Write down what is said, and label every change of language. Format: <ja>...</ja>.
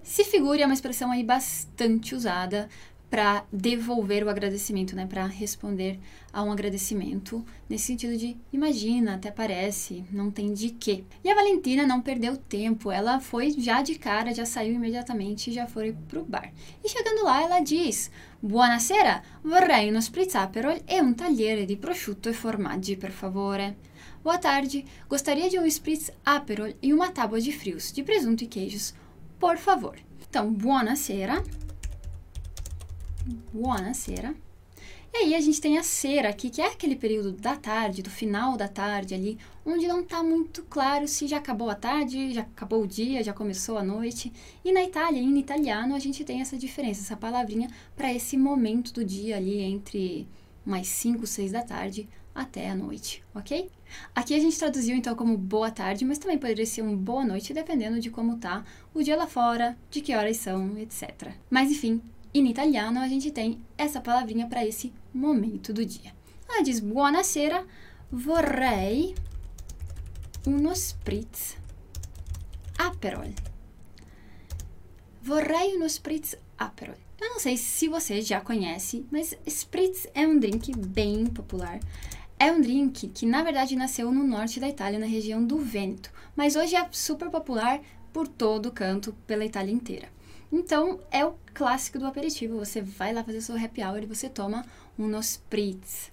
<pt>Se figure é uma expressão aí bastante usada para devolver o agradecimento, né? Para responder a um agradecimento nesse sentido de imagina, até parece, não tem de quê. E a Valentina não perdeu tempo, ela foi já de cara, já saiu imediatamente e já foi pro bar. E chegando lá, ela diz:</pt> <it>buonasera, vorrei uno spritz aperol e un tagliere di prosciutto e formaggi, per favore.</it> <pt>Boa tarde, gostaria de um spritz aperol e uma tábua de frios de presunto e queijos, por favor. Então, buonasera. Buonasera. E aí a gente tem a sera aqui, que é aquele período da tarde, do final da tarde ali, onde não está muito claro se já acabou a tarde, já acabou o dia, já começou a noite. E na Itália, em italiano, a gente tem essa diferença, essa palavrinha para esse momento do dia ali entre umas 5, 6 da tarde até a noite, ok? Aqui a gente traduziu então como boa tarde, mas também poderia ser um boa noite, dependendo de como está o dia lá fora, de que horas são, etc. Mas enfim, em italiano, a gente tem essa palavrinha para esse momento do dia. Ela diz:</pt> <it>buonasera, vorrei uno spritz aperol. Vorrei uno spritz aperol.</it> <pt>Eu não sei se você já conhece, mas spritz é um drink bem popular. É um drink que, na verdade, nasceu no norte da Itália, na região do Vêneto. Mas hoje é super popular por todo canto, pela Itália inteira. Então, é o clássico do aperitivo, você vai lá fazer o seu happy hour e você toma uno spritz.</pt>